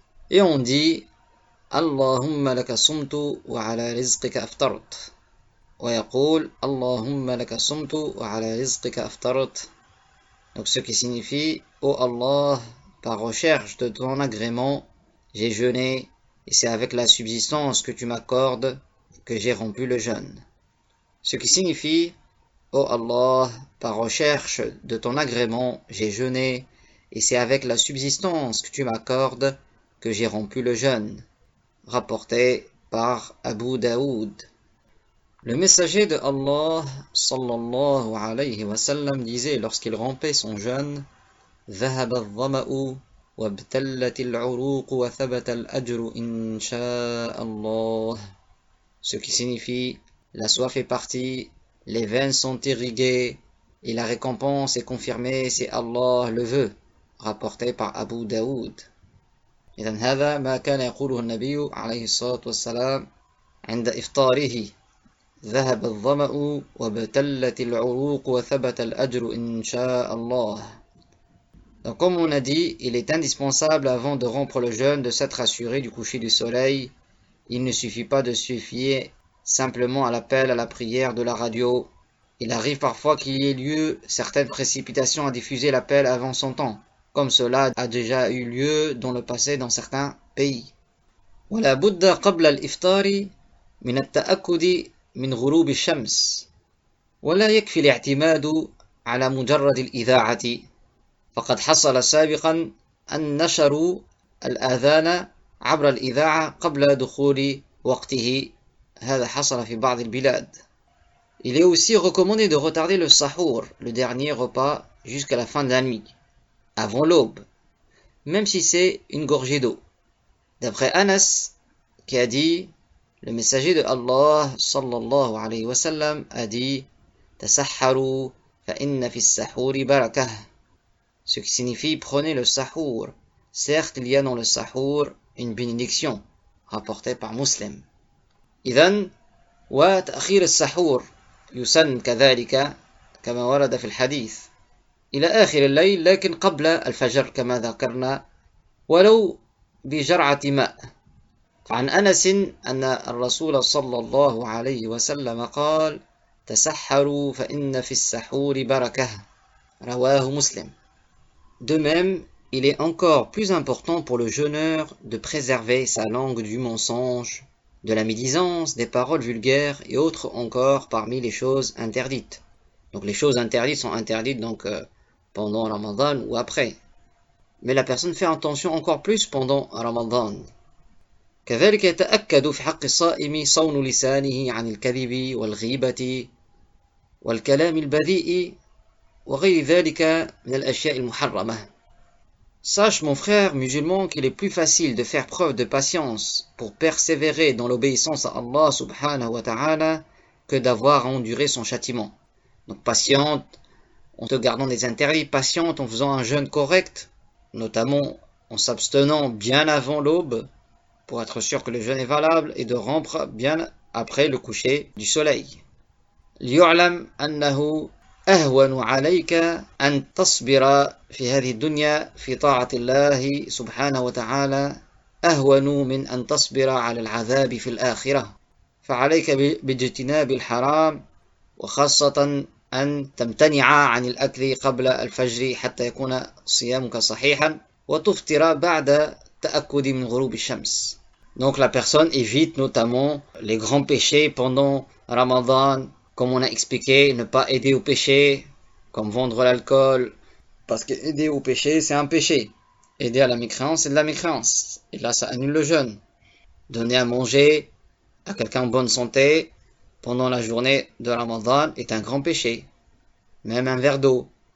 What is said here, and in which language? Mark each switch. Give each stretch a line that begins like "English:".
French: Et on dit
Arabic: اللهم لك صمت وعلى رزقك أفطرت ويقول اللهم لك صمت وعلى رزقك أفطرت.
French: Donc ce qui signifie ô Allah, par recherche de ton agrément, j'ai jeûné et c'est avec la subsistance que tu m'accordes que j'ai rompu le jeûne. Ce qui signifie ô Allah, par recherche de ton agrément, j'ai jeûné, et c'est avec la subsistance que tu m'accordes que j'ai rompu le jeûne. Rapporté par Abu Daoud. Le messager de Allah, sallallahu alayhi wa sallam, disait lorsqu'il rompait son jeûne,
Arabic: ذهب الظمأ وابتلت العروق وثبت الأجر إن شاء الله.
French: Ce qui signifie, la soif est partie, les veines sont irriguées et la récompense est confirmée si Allah le veut. Rapporté par Abu Daoud.
Arabic: إذن هذا ما كان يقوله النبي عليه الصلاة والسلام عند إفطاره. ذهب الظمأ وابتلت العروق وثبت الأجر إن شاء الله.
French: Donc comme on a dit, il est indispensable avant de rompre le jeûne de s'être assuré du coucher du soleil. Il ne suffit pas de se fier simplement à l'appel à la prière de la radio. Il arrive parfois qu'il y ait lieu certaines précipitations à diffuser l'appel avant son temps, comme cela a déjà eu lieu dans le passé dans certains pays.
Arabic: ولا بد قبل الإفطار من التأكد من غروب الشمس ولا يكفي الاعتماد على مجرد الإذاعة فقد حصل سابقا أن نشروا الأذان عبر الإذاعة قبل دخول وقته. هذا حصل في بعض البلاد.
French: Il est aussi recommandé de retarder le sahour, le dernier repas, jusqu'à la fin de la nuit, avant l'aube, même si c'est une gorgée d'eau. D'après Anas, qui a dit, le messager de Allah, sallallahu alayhi wa sallam, a dit,
Arabic: Tasahharu, fa inna fi sahuri barakah.
French: Ce qui signifie, prenez le sahur. Certes, il y a dans le sahur une bénédiction, rapportée par Muslim.
Arabic: Idan, wa ta'khir sahur, yusan kadhalika, كما ورد في الحديث إلى آخر الليل لكن قبل الفجر كما ذكرنا ولو بجرعة ماء. فعن أنس أن الرسول صلى الله عليه وسلم قال تسحروا فإن في السحور بركة رواه مسلم.
French: De même, il est encore plus important pour le jeûneur de préserver sa langue du mensonge, de la médisance, des paroles vulgaires et autres encore parmi les choses interdites. Donc les choses interdites sont interdites pendant Ramadan ou après. Mais la personne fait attention encore plus pendant Ramadan.
Arabic: كذلك يتأكد في حق الصائم صون لسانه عن الكذب والغيبة والكلام البذيء وغير ذلك من الأشياء المحرمة.
French: Sache mon frère musulman qu'il est plus facile de faire preuve de patience pour persévérer dans l'obéissance à Allah subhanahu wa ta'ala que d'avoir enduré son châtiment. Donc patiente en te gardant des interdits, patiente en faisant un jeûne correct, notamment en s'abstenant bien avant l'aube, pour être sûr que le jeûne est valable, et de rompre bien après le coucher du soleil.
Arabic: لِيُعْلَمْ أَنَّهُ أَهْوَنُ عَلَيْكَ أَنْ تَصْبِرَ فِي هَذِهِ الدُّنْيَا فِي طَاعَةِ اللَّهِ سُبْحَانَهُ وَتَعَالَى أَهْوَنُ مِنْ أَنْ تَصْبِرَ عَلَى الْعَذَابِ فِي الْآخِرَةِ فَعَلَيْكَ بِاجْتِنَابِ الْحَرَامِ وخاصة أن تمتنع عن الأكل قبل الفجر حتى يكون صيامك صحيحا وتفطر بعد تأكد من غروب الشمس.
French: Donc la personne évite notamment les grands péchés pendant Ramadan, comme on a expliqué, ne pas aider au péché, comme vendre l'alcool, parce que aider au péché c'est un péché. Aider à la mécréance c'est de la mécréance, et là ça annule le jeûne. Donner à manger à quelqu'un en bonne santé pendant la journée de Ramadan est un grand péché, même un verre d'eau.